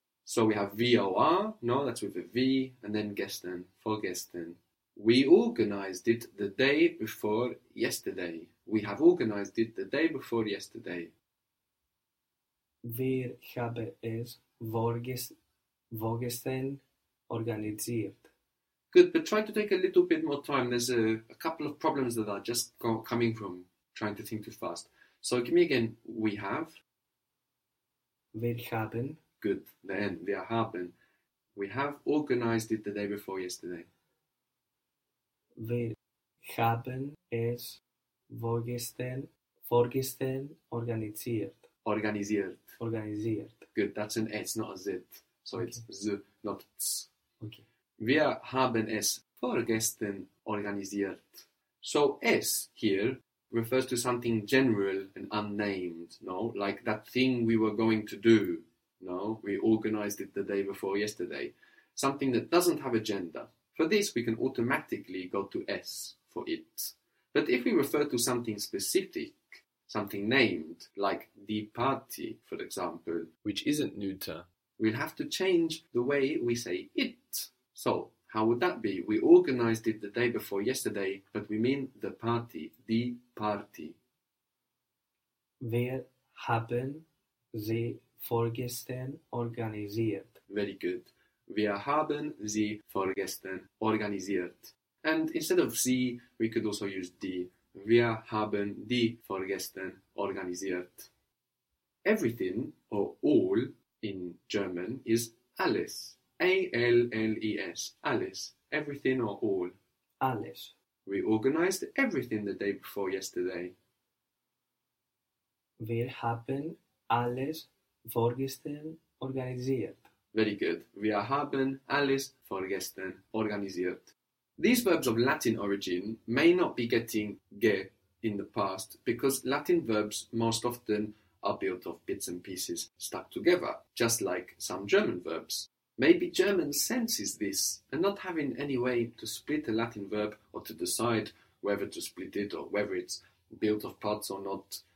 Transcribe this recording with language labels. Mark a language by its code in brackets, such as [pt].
[en] So we have V-O-R, no, that's with a V, and then gestern, vorgestern. We organized it the day before yesterday. We have organized it the day before yesterday. [de] Wir haben es vorgestern organisiert. [en] Good, but try to take a little bit more time. There's a couple of problems that are just coming from trying to think too fast. So give me again, we have. [de] Wir haben. [en] Good, then, [de] wir haben. [en] We have organized it the day before yesterday. [de] Wir haben es vorgestern organisiert. [en] Organisiert. Good, that's an S, not a Z. So okay. It's Z, not Z. Okay. [de] Wir haben es vorgestern organisiert. [en] So, es here refers to something general and unnamed, no? Like that thing we were going to do, no? We organized it the day before yesterday. Something that doesn't have a gender. For this, we can automatically go to S for it. But if we refer to something specific, something named, like die Party, for example, which isn't neuter, we'll have to change the way we say it. So, how would that be? We organized it the day before yesterday, but we mean the party, die Party. [de] Wir haben sie vorgestern organisiert. [en] Very good. [de] Wir haben sie vorgestern organisiert. [en] And instead of sie, we could also use die. [de] Wir haben die vorgestern organisiert. [en] Everything, or all, in German is alles. A-L-L-E-S. Alles. Everything or all. Alles. We organized everything the day before yesterday. [de] Wir haben alles vorgestern organisiert. [en] Very good. [de] Wir haben alles vorgestern organisiert. [en] These verbs of Latin origin may not be getting ge in the past because Latin verbs most often are built of bits and pieces stuck together, just like some German verbs. Maybe German senses this and not having any way to split a Latin verb or to decide whether to split it or whether it's built of parts or not.